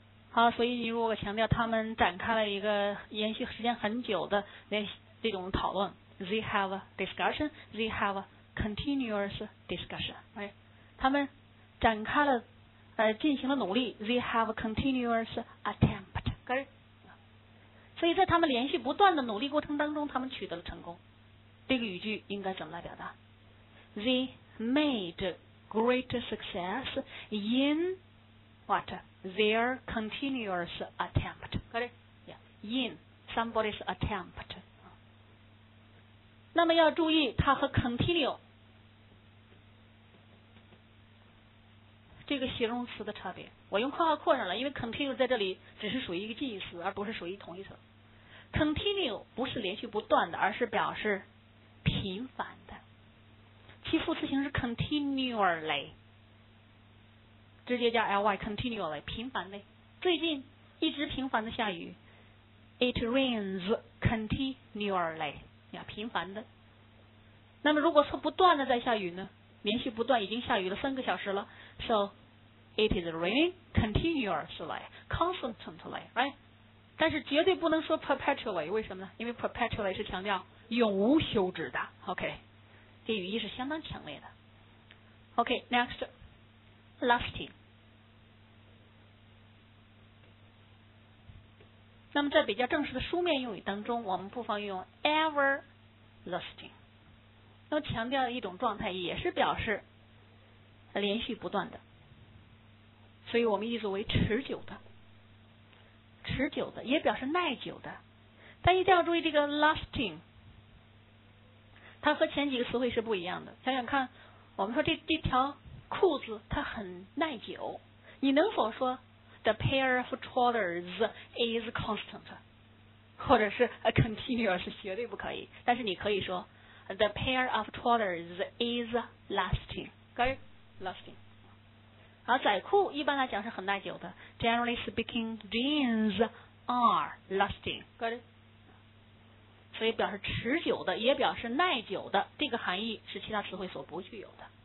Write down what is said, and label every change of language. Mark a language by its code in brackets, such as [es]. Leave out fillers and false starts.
[zh] 好，所以你如果强调他们展开了一个延续时间很久的这种讨论 ， [en] they have a discussion, they have a continuous discussion， [zh] 哎，他们展开了。进行了努力 ， [en] they have a continuous attempt， [zh] 所以在他们连续不断的努力过程当中，他们取得了成功。这个语句应该怎么来表达 [en] ？They made great success in what their continuous attempt， in somebody's attempt。 [zh] 那么要注意，它和 continue。这个形容词的差别，我用括号括上了，因为 continue 在这里只是属于一个近义词，而不是属于同义词。 Continue 不是连续不断的，而是表示频繁的。其副词形式 continually， 直接加 ly continually， 频繁的。最近一直频繁的下雨 ， [en] It rains continually， [zh] 呀，频繁的。那么如果说不断的在下雨呢？连续不断，已经下雨了三个小时了。 [en] So it is raining continuously, constantly, right? [zh] 但是绝对不能说 perpetually， 为什么呢？因为 perpetually 是强调永无休止的。 OK， 这语义是相当强烈的。 [en] OK， next， lasting。 [zh] 那么在比较正式的书面用语当中，我们不妨用 everlasting。那么强调一种状态，也是表示连续不断的，所以我们译作为持久的，持久的也表示耐久的。但一定要注意这个 lasting， 它和前几个词汇是不一样的。想想看，我们说这条裤子它很耐久，你能否说 [en] the pair of trousers is constant， [zh] 或者是 continuous， 绝对不可以。 [en] 但是你可以说The pair of trousers is lasting. Okay, lasting. [zh] 好，窄裤一般来讲是很耐久的。 [en] Generally speaking, jeans are lasting. Got it? [zh] 所以表示持久的，也表示耐久的，这个含义是其他词汇所不具有的。